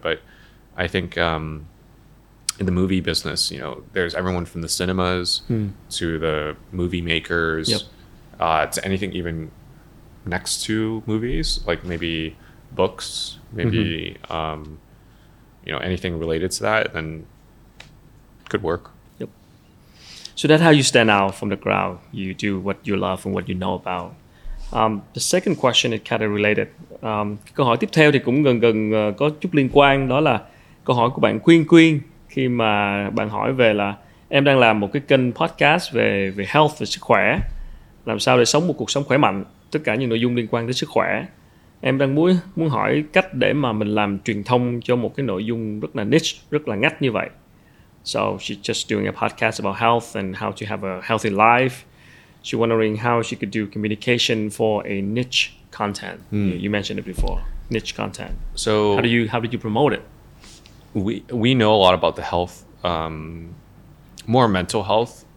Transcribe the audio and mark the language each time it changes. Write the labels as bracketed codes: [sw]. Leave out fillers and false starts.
[en] But I think in the movie business, you know, there's everyone from the cinemas to the movie makers, to anything even next to movies, like maybe books, maybe you know, anything related to that, then could work. Yep. So that's how you stand out from the crowd. You do what you love and what you know about. The second question is kind of related. [vi] Câu hỏi tiếp theo thì cũng gần có chút liên quan, đó là câu hỏi của bạn Quyên Quyên, khi mà bạn hỏi về là em đang làm một cái kênh podcast về health, về sức khỏe, làm sao để sống một cuộc sống khỏe mạnh, tất cả những nội dung liên quan đến sức khỏe. Em đang muốn hỏi cách để mà mình làm truyền thông cho một cái nội dung rất là niche, rất là ngách như vậy. [en] So she's just doing a podcast about health and how to have a healthy life. She's wondering how she could do communication for a niche content. You mentioned it before, niche content. So how did you promote it? We know a lot about the health, more mental health.